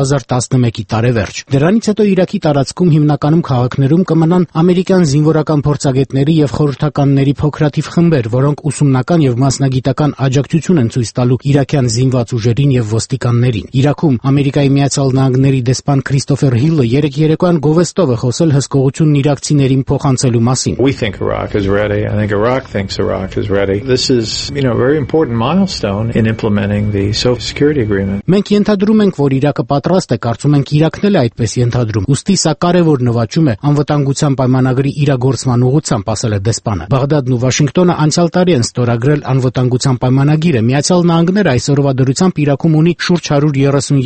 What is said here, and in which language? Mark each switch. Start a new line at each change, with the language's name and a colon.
Armenian: 2011-ի տարեվերջ։ Դրանից հետո Իրաքի տարածքում հիմնականում քաղաքներում կմնան ամերիկյան զինվորական փորձագետների եւ խորհրդականների փոքրաթիվ խմբեր, որոնք ուսումնական եւ մասնագիտական աջակցություն են ցույց տալու իրաքյան զինված ուժերին եւ ոստիկաններին։ Իրաքում Ամերիկայի միացյալ նահանգների դեսպան Քրիստոֆեր Հիլը 3-երեկոյան գովեստով է խոսել հսկողությունն իրաքցիներին փոխանցելու մասին։
English: We think Iraq is ready. I think Iraq thinks Iraq is ready. This is, you know, a very important milestone in implementing the SOFA security agreement.
Armenian: Մենք ենթադրում ենք, որ Իրաքը պատրաստ է, կարծում ենք Իրաքն էլ այդպես ենթադրում։ Ոստի սա կարևոր նվաճում է անվտանգության պայմանագրի իրագործման ուղղությամբ, ասել է դեսպանը։ Բաղդադն ու Վաշինգտոնը անցյալ տարի են ստորագրել անվտանգության պայմանագիրը։ Միացյալ նահանգները այսօրվա դրությամբ Իրաքում ունի շուրջ 130